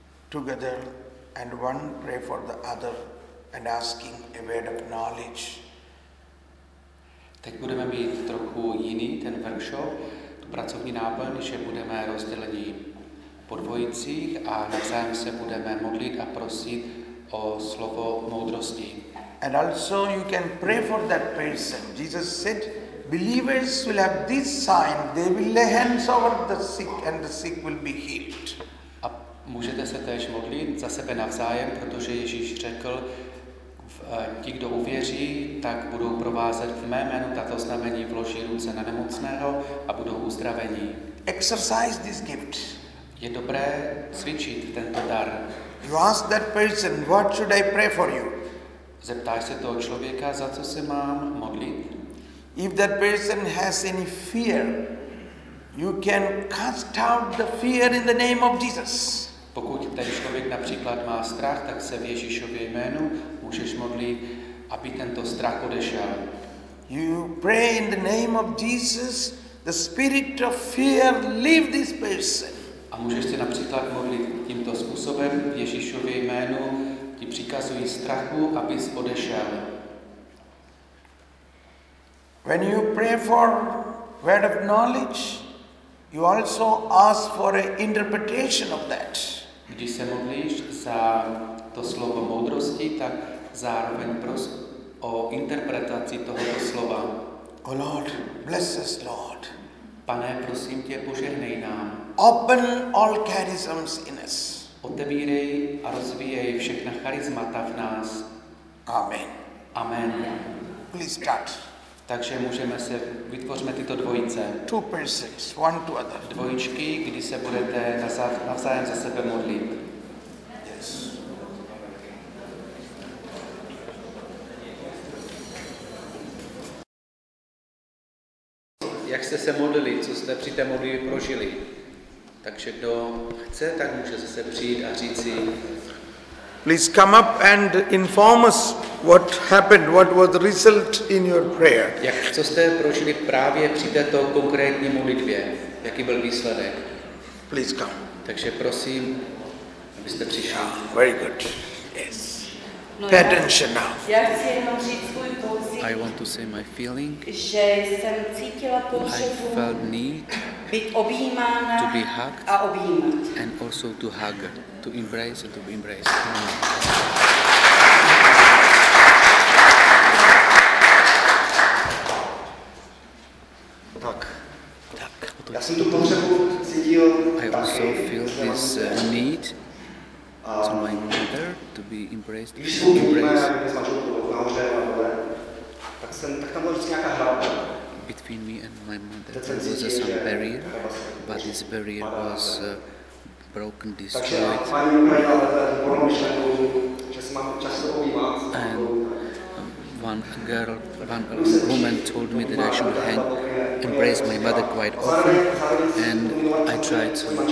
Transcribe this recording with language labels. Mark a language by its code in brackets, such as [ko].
[en] Together and one pray for the other and asking a word of knowledge. [cs] Teď budeme mít trochu jiný ten workshop, tu pracovní náplň, že budeme rozdělení po dvojicích a navzájem se budeme modlit a prosit o slovo moudrosti. [en] And also you can pray for that person. Jesus said, believers will have this sign, they will lay hands over the sick and the sick will be healed. [cs] Můžete se též modlit za sebe navzájem, protože Ježíš řekl, ti, kdo uvěří, tak budou provázet v mé jménu tato znamení, vloží ruce na nemocného a budou uzdravení. [en] Exercise this gift. [cs] Je dobré cvičit tento dar. [en] You ask that person, what should I pray for you? [cs] Zeptáš se toho člověka, za co se mám modlit? [en] If that person has any fear, you can cast out the fear in the name of Jesus. [cs] Pokud ten člověk například má strach, tak se v Ježíšově jménu můžeš modlit, aby tento strach odešel. [en] You pray in the name of Jesus, the spirit of fear leave this person. [cs] A můžeš se například modlit tímto způsobem v Ježíšově jménu, ti přikazují strachu, abys odešel. [en] When you pray for word of knowledge, you also ask for an interpretation of that. [cs] Když se modlíš za to slovo moudrosti, tak zároveň pros o interpretaci tohoto slova. [en] Oh Lord, bless us, Lord. [cs] Pane, prosím tě, požehnej nám. [en] Open all charisms in us. [cs] Otevírej a rozvíjej všechna charismata v nás. [en] Amen. [cs] Amen. [en] Please start. [cs] Takže můžeme se, vytvořme tyto dvojice. [en] Two persons, one to other. [cs] Dvojičky, kdy se budete navzájem za sebe modlit. Jak jste se modlili, co jste při té modlitbě prožili. Takže kdo chce, tak může zase přijít a říct si. [en] Please come up and inform us what happened, what was the result in your prayer. [cs] Jak, co jste prožili právě při této konkrétní modlitbě? Jaký byl výsledek? [en] Please come. [cs] Takže prosím, abyste přišli. [en] Yeah, very good. Yes. No, pay attention now. [cs] Já chci jenom říct svůj pocit. [en] I want to say my feeling. [cs] Že jsem cítila potřebu. [en] I felt need [cs] být objímána [en] to be hugged [cs] a objímat. [en] And also to hug, to embrace and to be embraced. Mm. [cs] Tak. Tak. Já jsem tu potřebu cítil. [en] I also feel this need. To my mother, to be embraced. [cs] Když jsme měli nahoře, tak jsem, tak tam byla vždycky nějaká hrába. [en] Between me and my mother, there was some barrier, but this barrier was broken, destroyed. And one girl, one woman told me that I should hang, embrace my mother quite often, and I tried to.